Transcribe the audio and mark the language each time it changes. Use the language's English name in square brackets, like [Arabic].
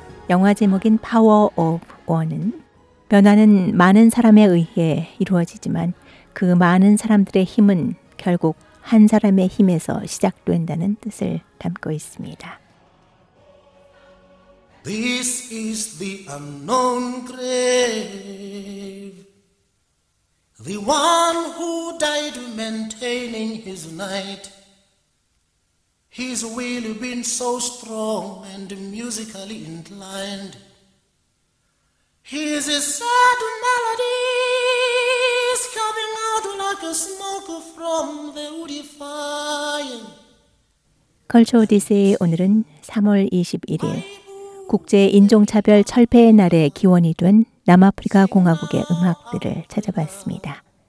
[Korean] 영화 제목인 Power of One은 변화는 많은 사람에 의해 이루어지지만 그 많은 사람들의 힘은 결국 한 사람의 힘에서 시작된다는 뜻을 담고 있습니다. [English] This is the unknown grave. The one who died maintaining his night. His will been so strong and musically inclined. His sad melodies coming out like a smoke from the woody fire. [Korean] 컬처 오디세이, 오늘은 3월 21일 국제 인종차별 철폐의 날의 기원이 된 남아프리카 공화국의 음악들을 찾아봤습니다.